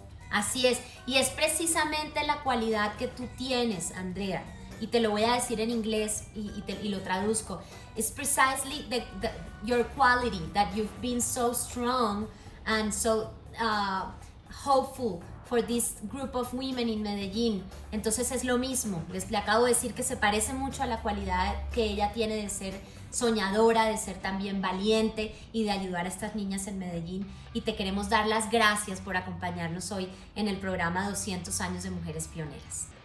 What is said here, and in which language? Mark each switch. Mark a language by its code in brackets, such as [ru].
[es] Así es, y es precisamente la cualidad que tú tienes, Andrea, y te lo voy a decir en inglés y lo traduzco. [en] It's precisely your quality that you've been so strong and so hopeful for this group of women in Medellín. [es] Entonces es lo mismo, le acabo de decir que se parece mucho a la cualidad que ella tiene de ser soñadora, de ser también valiente y de ayudar a estas niñas en Medellín. Y te queremos dar las gracias por acompañarnos hoy en el programa 200 años de Mujeres Pioneras.